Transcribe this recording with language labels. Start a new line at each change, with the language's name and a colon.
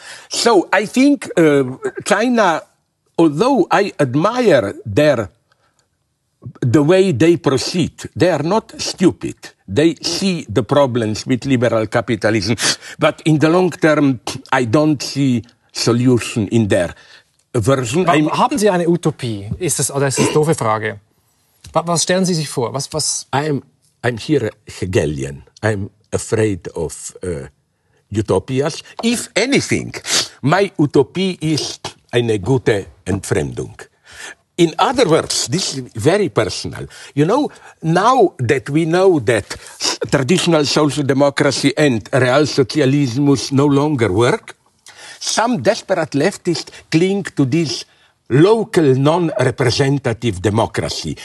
English: So I think China, although I admire their the way they proceed, they are not stupid. They see the problems with liberal capitalism, but in the long term, I don't see solution in their version.
German: Haben Sie eine Utopie? Ist das, oder ist das eine doofe Frage? Was stellen Sie sich vor? Was?
English: I'm here Hegelian. I'm afraid of utopias. If anything, my utopie is
German: eine gute Entfremdung.
English: In other words, this is very personal. You know, now that we know that traditional social democracy and real socialismus no longer work, some desperate leftists cling to this local non-representative democracy.